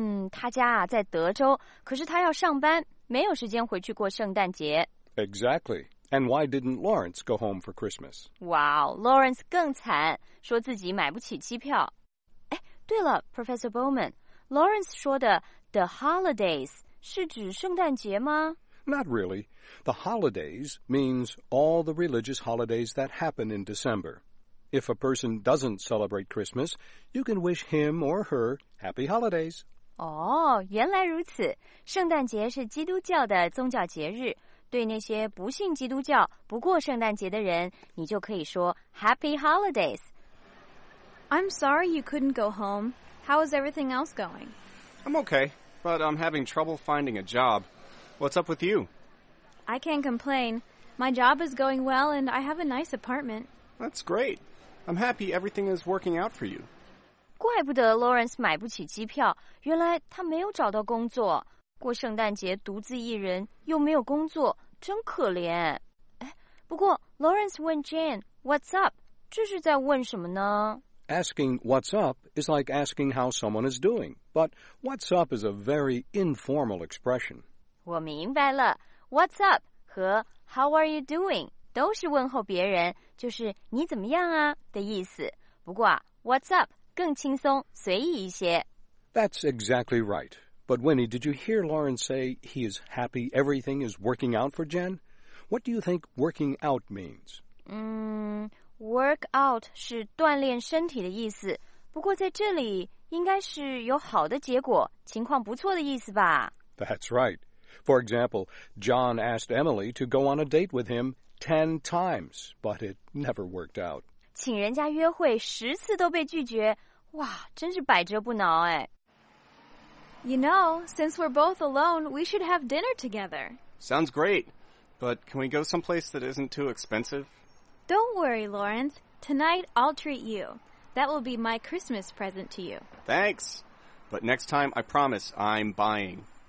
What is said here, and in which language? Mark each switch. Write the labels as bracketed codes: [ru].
[zh] 她家啊在德州，可是她要上班。没有时间回去过圣诞节。 [en] Exactly. And why didn't Lawrence go home for Christmas? [zh] Wow, Lawrence 更惨，说自己买不起机票。哎，对了 ,Professor Bowman, Lawrence 说的 [en] the holidays [zh] 是指圣诞节吗？ [en] Not really. The holidays means all the religious holidays that happen in December. If a person doesn't celebrate Christmas, you can wish him or her happy holidays. [zh] 哦，原来如此。圣诞节是基督教的宗教节日，对那些不信基督教、不过圣诞节的人，你就可以说 [en] Happy Holidays。 I'm sorry you couldn't go home. How is everything else going? I'm okay, but I'm having trouble finding a job. What's up with you? I can't complain. My job is going well, and I have a nice apartment. That's great. I'm happy everything is working out for you. [zh] 怪不得 Lawrence 买不起机票，原来他没有找到工作。过圣诞节独自一人，又没有工作，真可怜。哎，不过 Lawrence 问 Jane [en] "What's up?" [zh] 这是在问什么呢？ [en] Asking what's up is like asking how someone is doing, but what's up is a very informal expression. [zh] 我明白了 , [en] what's up [zh] 和 [en] how are you doing [zh] 都是问候别人就是你怎么样啊的意思。不过啊 , [en] what's up [zh] 更轻松随意一些。 [en] That's exactly right. But Winnie, did you hear Lauren say he is happy everything is working out for Jen? What do you think working out means? Work out [zh] 是锻炼身体的意思。不过在这里应该是有好的结果情况不错的意思吧。 [en] That's right. For example, John asked Emily to go on a date with him 10 times, but it never worked out. [zh] 请人家约会十次都被拒绝，哇，真是百折不挠哎。 [en] You know, since we're both alone, we should have dinner together. Sounds great, but can we go someplace that isn't too expensive? Don't worry, Lawrence. Tonight, I'll treat you. That will be my Christmas present to you. Thanks, but next time, I promise, I'm buying.